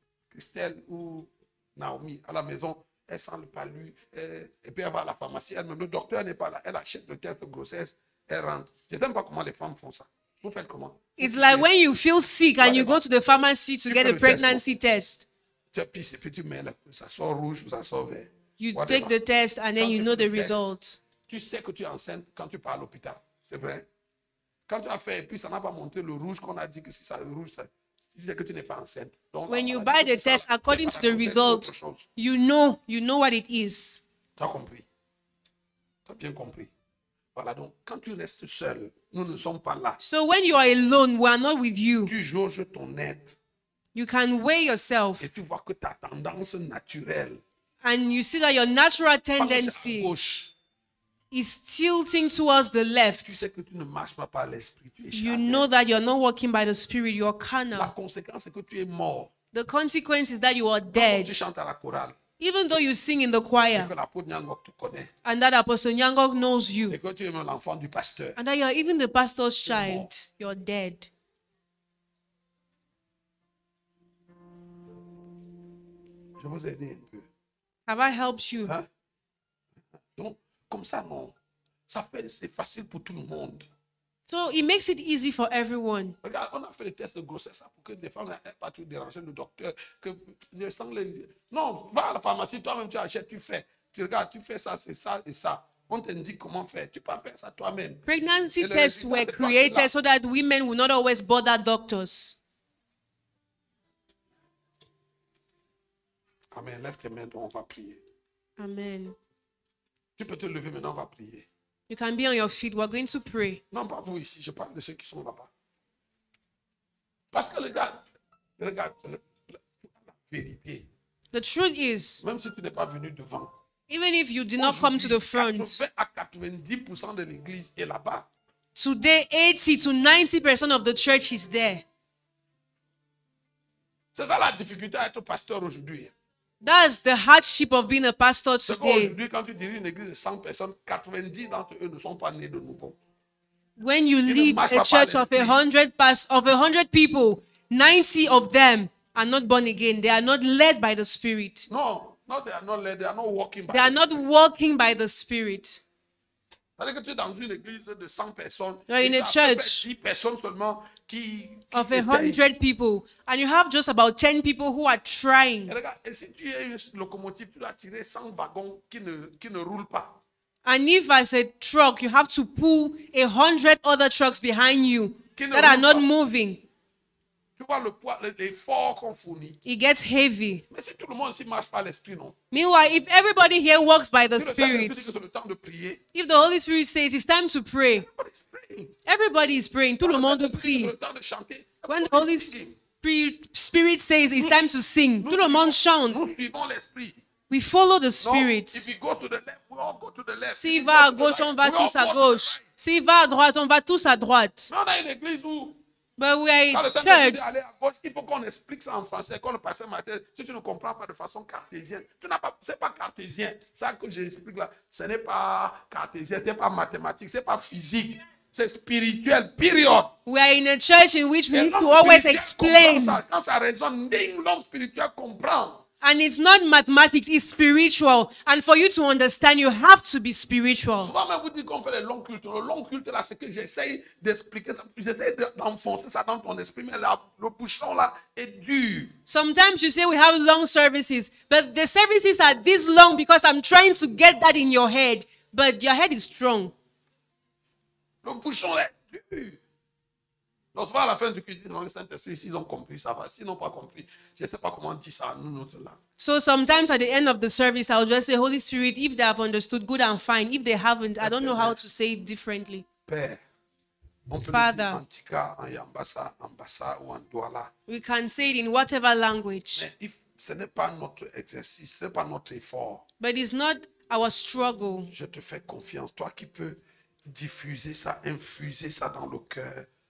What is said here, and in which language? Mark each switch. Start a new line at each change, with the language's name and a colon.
French: Christelle ou Naomi à la maison, elle sent le palu, et puis elle va à la pharmacie, elle, le docteur n'est pas là, elle achète le test de grossesse, elle rentre. Je ne sais pas comment les femmes font ça. Vous faites comment?
English: It's like when you feel sick and you go to the pharmacy to get a pregnancy test.
French: Tu appuies et puis tu mets là, ça sort rouge ou ça sort vert.
English: You take the test and then you know the result.
French: Tu sais que tu es enceinte quand tu pars à l'hôpital. C'est vrai. Quand tu as fait, et puis ça n'a pas monté le rouge qu'on a dit que si ça le rouge, tu sais que tu n'es pas enceinte. Donc,
English: when you buy the test,
French: ça,
English: according to the result, you know what it is.
French: Tu as compris. Tu as bien compris. Voilà, donc, quand tu restes seul, nous ne sommes pas là.
English: So when you are alone, we are not with you.
French: Tu jauges ton être.
English: You can weigh yourself.
French: Et tu vois que ta tendance naturelle,
English: and you see that your natural tendency, is tilting towards the left.
French: Tu sais que tu ne marches pas par l'esprit, tu es charnel.
English: You know that you're not walking by the Spirit, you're carnal.
French: La conséquence est que tu es mort.
English: The consequence is that you are dead.
French: Tu chantes à la chorale.
English: Even though you sing in the choir.
French: Et que l'apôtre Ngnangock te connaît.
English: And that Apostle Ngnangock knows you.
French: Et que tu es même l'enfant du pasteur.
English: And that you're even the pastor's child. You're dead.
French: Je vous ai aidé un peu.
English: Have I helped you?
French: Hein? Comme ça, non. Ça fait, c'est facile pour tout le monde.
English: So, it makes it easy for everyone.
French: Regarde, on a fait le test de grossesse pour que des femmes n'aient pas tout dérangé le docteur. Que je sens les... Non, va à la pharmacie, toi-même, tu achètes, tu fais. Tu regardes, tu fais ça, c'est ça et ça. On te dit comment faire. Tu peux faire ça toi-même.
English: Pregnancy tests were created so that women will not always bother doctors.
French: Amen. Lève tes mains, on va prier. Amen. Tu peux te lever maintenant, on va prier.
English: You can be on your feet, we're going to pray.
French: Non, pas vous ici, je parle de ceux qui sont là-bas. Parce que regarde,
English: The truth is,
French: même si tu n'es pas venu devant,
English: even if you did not come to the front,
French: 80-90% de l'église est là-bas.
English: Today, 80 to 90% of the church is there.
French: C'est ça la difficulté d'être pasteur aujourd'hui.
English: That's the hardship of being a pastor today.
French: Aujourd'hui, quand tu diriges une église de 100 personnes, 90 d'entre eux ne sont pas nés de nouveau.
English: When you lead a church of 100 people, 90 of them are not born again. They are not led by the Spirit. No, not they are not led. They are not walking by the Spirit. They are not walking by the Spirit.
French: C'est-à-dire que tu es dans une église de 100 personnes.
English: You're in a church.
French: 10 personnes seulement qui...
English: Of 100 people. And you have just about 10 people who are trying.
French: Et regarde, et si tu es une locomotive, tu dois tirer 100 wagons qui ne roulent pas.
English: And if as a truck, you have to pull 100 other trucks behind you that are not moving.
French: Tu vois le poids, l'effort qu'on fournit.
English: It gets heavy.
French: Mais si tout le monde marche par l'esprit, non?
English: Meanwhile, if everybody here walks by the Spirit,
French: le temps de prier,
English: if the Holy Spirit says it's time to pray, everybody is praying,
French: tout le monde prie. Chanter,
English: when the Holy Spirit says it's time to sing,
French: tout le monde chante. Nous suivons l'esprit.
English: We follow the Spirit. Non, if he goes to the left, we all go to the left.
French: S'il va à gauche, on va tous à gauche. S'il va à droite, on va tous à droite. Mais on a une église où...
English: But we are in church.
French: Aller à gauche, il faut qu'on explique ça en français, qu'on le passe en matière. Si tu ne comprends pas de façon cartésienne, tu n'as pas, c'est pas cartésien. Ça que j'explique là, ce n'est pas cartésien, ce n'est pas mathématique, ce n'est pas physique. C'est spirituel, period.
English: We are in a church in which we need to always explain.
French: Quand ça résonne, ding, l'homme spirituel comprend.
English: And it's not mathematics, it's spiritual. And for you to understand, you have to be spiritual.
French: Souvent, même vous dites qu'on fait le long culte. Le long culte, là, c'est que j'essaie d'expliquer ça. J'essaie d'enfoncer ça dans ton esprit. Mais là, le bouchon, là, est dur.
English: Sometimes you say we have long services. But the services are this long because I'm trying to get that in your head. But your head is strong.
French: Le bouchon, là, est dur. Donc, à la fin du culte, non, le Saint-Esprit, s'ils ont compris, ça va. S'ils n'ont pas compris, je ne sais pas comment dire ça à nous, notre langue.
English: So, sometimes at the end of the service, I'll just say, Holy Spirit, if they have understood, good and fine. If they haven't, I don't know how to say it differently.
French: Père, on peut Father, dire en tika, en yambasa, en basa, ou en douala.
English: We can say it in whatever language.
French: Mais if ce n'est pas notre exercice, ce n'est pas notre effort.
English: But it's not our struggle.
French: Je te fais confiance. Toi qui peux diffuser ça, infuser ça dans le cœur.